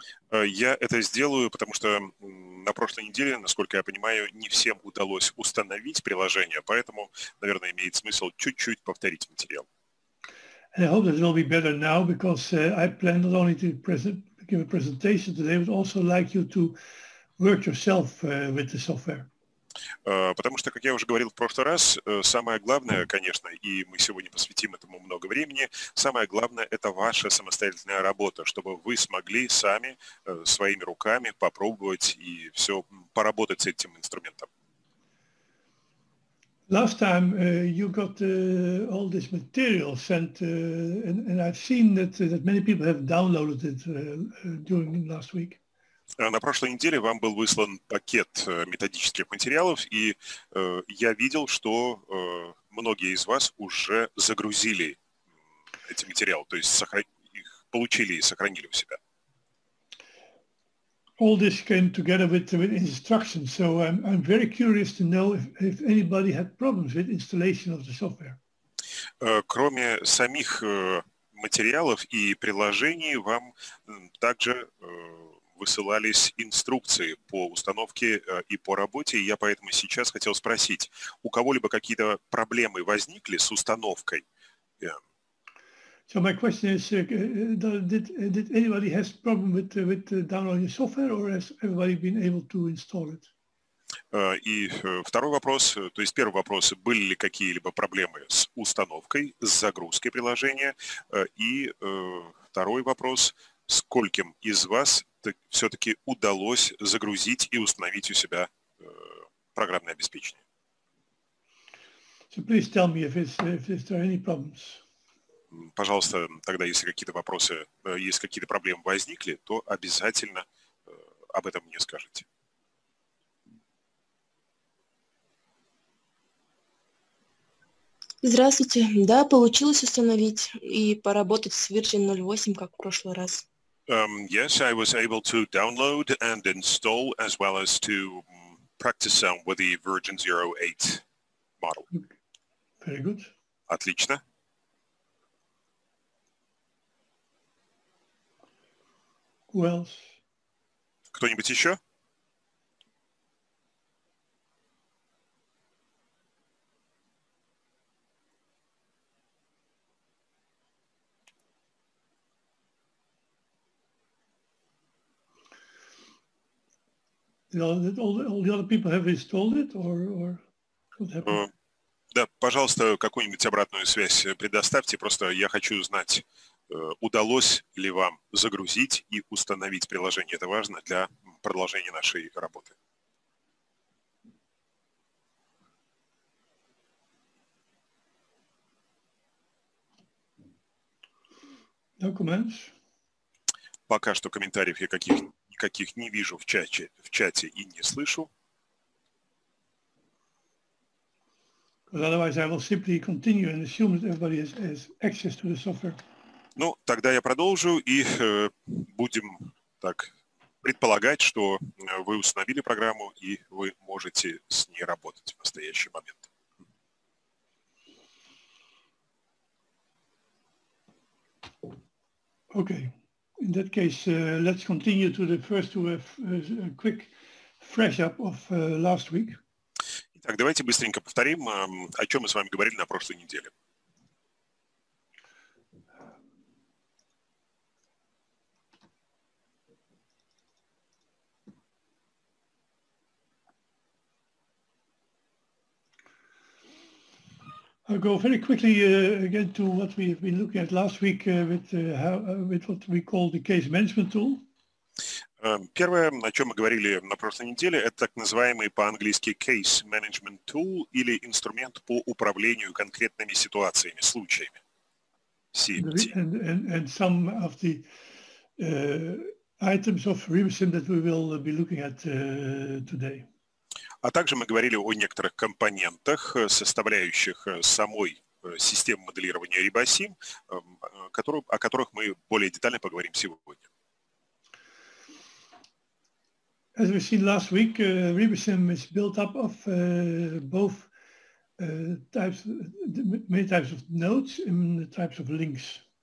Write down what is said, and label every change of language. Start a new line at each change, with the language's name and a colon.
Russian: Я это сделаю, потому что на прошлой неделе, насколько я понимаю, не всем удалось установить приложение, поэтому, наверное, имеет смысл чуть-чуть повторить материал.
English: And I hope that it will be better now, because I plan not only to give a presentation today, but also like you to work yourself with the software.
Russian: Потому что, как я уже говорил в прошлый раз, самое главное, конечно, и мы сегодня посвятим этому много времени, самое главное – это ваша самостоятельная работа, чтобы вы смогли сами своими руками попробовать и все поработать с этим инструментом.
English: Last time you got all this material sent, and I've seen that many people have downloaded it during last week.
Russian: На прошлой неделе вам был выслан пакет методических материалов, и я видел, что многие из вас уже загрузили эти материалы, то есть их получили и сохранили у себя.
English: All this came together with instructions, so I'm very curious to know if anybody had problems with installation of the software.
Russian: Кроме самих материалов и приложений, вам также высылались инструкции по установке и по работе, и я поэтому сейчас хотел спросить, у кого-либо какие-то проблемы возникли с установкой?
English: So my question is, did anybody has problem with downloading software, or has everybody been able to install it?
Russian: И второй вопрос, то есть первый вопрос, были ли какие-либо проблемы с установкой, с загрузкой приложения, и второй вопрос, скольким из вас все-таки удалось загрузить и установить у себя программное обеспечение.
English: So please tell me if there are any problems.
Russian: Пожалуйста, тогда, если какие-то вопросы, если какие-то проблемы возникли, то обязательно об этом мне скажите. Здравствуйте. Да, получилось установить и поработать с Virgin 08, как в прошлый раз.
English: Yes, I was able to download and install, as well as to practice some with the Virgin 08 model. Very good.
Russian: Отлично.
English: Who else?
Russian: Кто-нибудь еще?
English: All the other people have installed it, or what happened?
Russian: Да, пожалуйста, какую-нибудь обратную связь предоставьте. Просто я хочу знать, удалось ли вам загрузить и установить приложение. Это важно для продолжения нашей работы.
English: Documents.
Russian: Пока что комментариев я никаких не вижу в чате и не слышу.
English: Otherwise, I will simply continue and assume that everybody has access to the software.
Russian: Ну, тогда я продолжу и будем так предполагать, что вы установили программу и вы можете с ней работать в настоящий момент.
English: Okay. In that case, let's continue to the first to a quick fresh up of last week.
Russian: Итак, давайте быстренько повторим, о чем мы с вами говорили на прошлой неделе.
English: I'll go very quickly again to what we have been looking at last week with what we call the case management tool.
Russian: Первое, о чем мы говорили на прошлой неделе, это так называемый по-английски
English: case management tool
Russian: или инструмент по управлению конкретными ситуациями, случаями.
English: CMT. And some of the items of RIMSIM that we will be looking at today.
Russian: А также мы говорили о некоторых компонентах, составляющих самой системы моделирования RIBOSIM, о которых мы более детально поговорим сегодня.
English: As we've seen last week, RIBOSIM is built up of both types, many types of nodes and types of links.